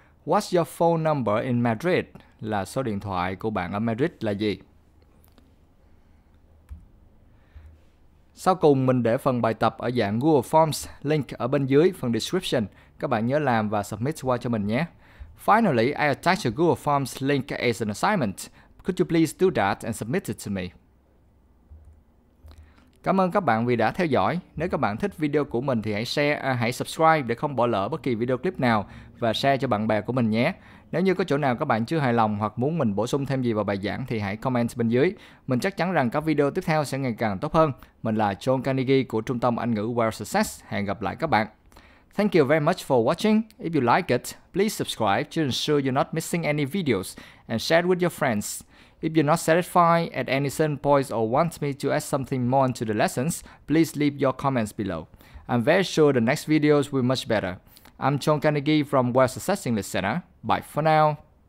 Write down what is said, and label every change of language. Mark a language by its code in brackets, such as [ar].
[en] What's your phone number in Madrid [vi] là số điện thoại của bạn ở Madrid là gì? Sau cùng mình để phần bài tập ở dạng Google Forms link ở bên dưới phần description. Các bạn nhớ làm và submit qua cho mình nhé. [en] Finally, I attach a Google Forms link as an assignment. Could you please do that and submit it to me? [vi] Cảm ơn các bạn vì đã theo dõi. Nếu các bạn thích video của mình thì hãy subscribe để không bỏ lỡ bất kỳ video clip nào và share cho bạn bè của mình nhé. Nếu như có chỗ nào các bạn chưa hài lòng hoặc muốn mình bổ sung thêm gì vào bài giảng thì hãy comment bên dưới. Mình chắc chắn rằng các video tiếp theo sẽ ngày càng tốt hơn. Mình là John Carnegie của Trung tâm Anh ngữ World Success. Hẹn gặp lại các bạn. [en] Thank you very much for watching. If you like it, please subscribe to ensure you're not missing any videos and share it with your friends. If you're not satisfied at any certain points or want me to add something more into the lessons, please leave your comments below. I'm very sure the next videos will be much better. I'm John Carnegie from World Success English Center. Bye for now.